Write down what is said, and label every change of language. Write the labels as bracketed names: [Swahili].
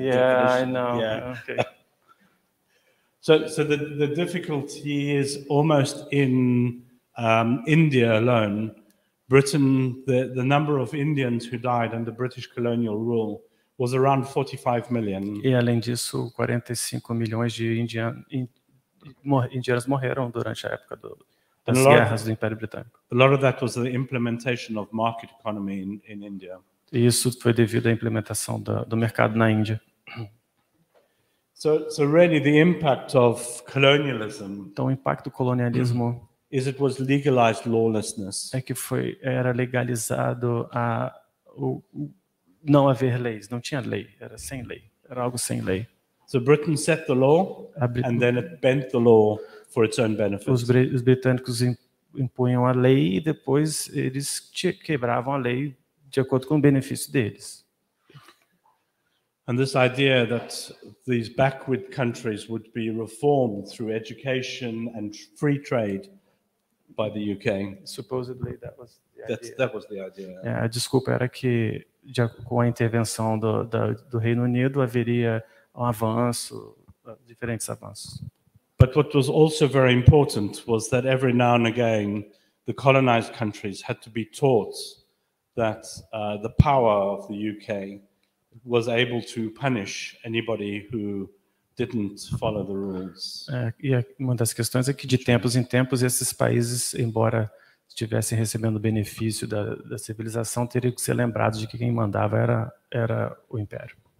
[English] definition. Yeah, I know. Yeah. Okay. So the difficulty is almost in India alone. Britain, the number of Indians who died under British colonial rule was around 45 million. [Portuguese] E além disso, 45 milhões de indianos morreram durante a época das guerras do Império Britânico. [English] A lot of that was the implementation of market economy in India. [Portuguese] E isso foi devido à implementação do mercado na Índia. [English] So really the impact of colonialism. [Portuguese] Então o impacto do colonialismo [English] is it was legalized lawlessness. [Portuguese] É que foi era legalizado a o não haver leis, não tinha lei, era sem lei, era algo sem lei. [English] So Britain set the law and then it bent the law for its own benefit. [Portuguese] Os britânicos impunham a lei e depois eles quebravam a lei de acordo com o benefício deles. [English] And this idea that these backward countries would be reformed through education and free trade by the UK. Supposedly that was the idea. That was the idea. [Portuguese] Yeah, a desculpa era que com a intervenção do Reino Unido haveria um avanço, diferentes avanços. [English] But what was also very important was that every now and again the colonized countries had to be taught that the power of the UK was able to punish anybody who didn't follow the rules. [Portuguese] Uma das questões é que de tempos em tempos esses países, embora estivessem recebendo benefício da civilização, teriam que ser lembrados de que quem mandava era o império.